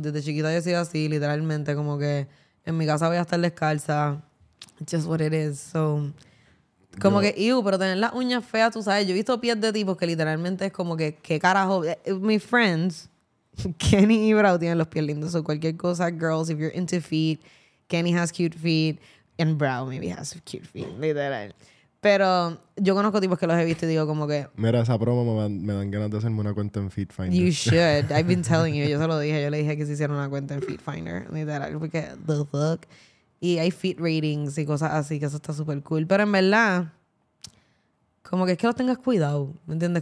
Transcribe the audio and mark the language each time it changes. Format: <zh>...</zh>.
<es>Desde chiquita yo he sido así, literalmente. Como que en mi casa voy a estar descalza.</es> <en>It's just what it is.</en> <es>So, como yo, que, ew, pero tener las uñas feas, tú sabes. Yo he visto pies de tipos que literalmente es como que, ¿qué carajo? Mis friends, Kenny y Brau tienen los pies lindos.</es> <en>So</en> <es>cualquier cosa,</es> <en>girls, if you're into feet, Kenny has cute feet. And Brow maybe has a cute feet, literal.</en> <es>Pero yo conozco tipos que los he visto y digo como que... Mira, esa promo me dan ganas de hacerme una cuenta en Feet Finder.</es> <en>You should. I've been telling you.</en> <es>Yo se lo dije. Yo le dije que se hiciera una cuenta en Feet Finder, literal. Porque</es> <en>the fuck.</en> <es>Y hay feet ratings y cosas así, que eso está súper cool. Pero en verdad, como que es que los tengas cuidado, ¿me entiendes?</es>